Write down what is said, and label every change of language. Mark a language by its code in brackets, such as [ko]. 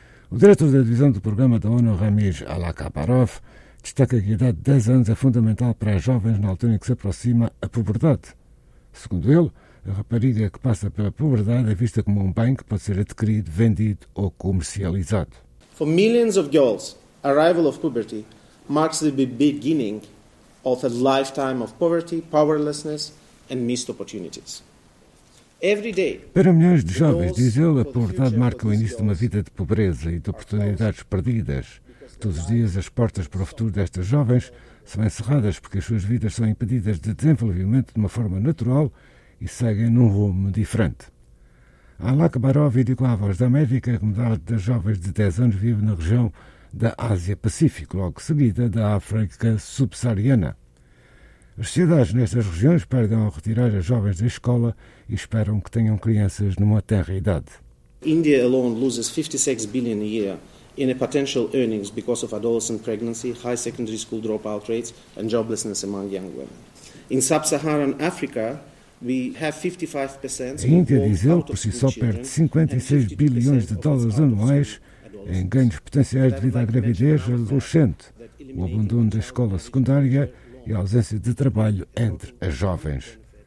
[pt] O diretor da divisão do programa da ONU, Ramiz Alakabarov, destaca que a idade de 10 anos é fundamental para as jovens na altura em que se aproxima a puberdade. Segundo ele, a rapariga que passa pela puberdade é vista como um bem que pode ser adquirido, vendido ou comercializado. [en] For millions of girls, arrival of puberty marks the beginning of a lifetime of poverty, powerlessness and missed opportunities. Every day. [pt] Para milhões de jovens, diz ele, a puberdade marca o início de uma vida de pobreza e de oportunidades perdidas. Todos os dias as portas para o futuro destas jovens são encerradas porque as suas vidas são impedidas de desenvolvimento de uma forma natural e seguem num rumo diferente. A Alakabarov indicou à Voz da América que metade das jovens de 10 anos vive na região da Ásia-Pacífico, logo seguida da África Subsaariana. As sociedades nestas regiões perdem ao retirar as jovens da escola e esperam que tenham crianças numa tenra idade. [en] India alone loses 56 billion a year in a potential earnings because of adolescent pregnancy, high secondary school dropout rates, and joblessness among young women. In sub-Saharan Africa, [pt] a Índia, diz ele, por si só perde 56 bilhões de dólares anuais em ganhos potenciais devido à gravidez adolescente, o abandono da escola secundária e a ausência de trabalho entre as jovens.